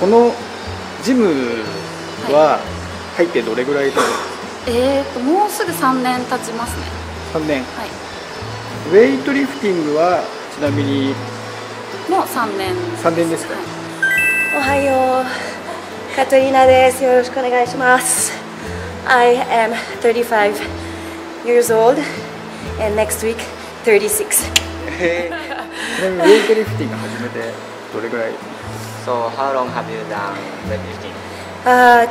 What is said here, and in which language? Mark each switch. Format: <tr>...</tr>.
<ja>このジムは入ってどれぐらいだろう、はい、もうすぐ3年経ちますね。 3年、はい。ウェイトリフティングはちなみにもう3年です。3年ですか、はい、おはよう、カトリーナです、よろしくお願いします。</ja> <en>I am 35 years old and next week 36.</en> <ja>ウェイトリフティング始めてどれぐらい？</ja> <en>So how long have you done weightlifting?</en>